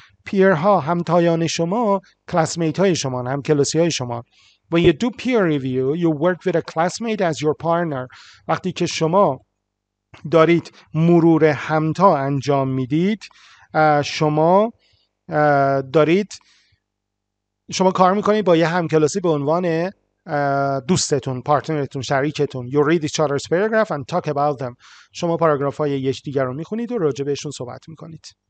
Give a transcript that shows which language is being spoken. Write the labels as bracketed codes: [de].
[fa] پیرها، همتایان شما، کلاسمیت های شما، هم کلاسی های شما. [en] When you do peer review, you work with a classmate as your partner. [fa] وقتی که شما دارید مرور همتا انجام میدید، شما دارید، شما کار میکنید با یه همکلاسی به عنوان دوستتون، پارتنرتون، شریکتون. [en] You read each other's paragraph and talk about them. [fa] شما پاراگراف های یک دیگر رو میخونید و راجع بهشون صحبت میکنید.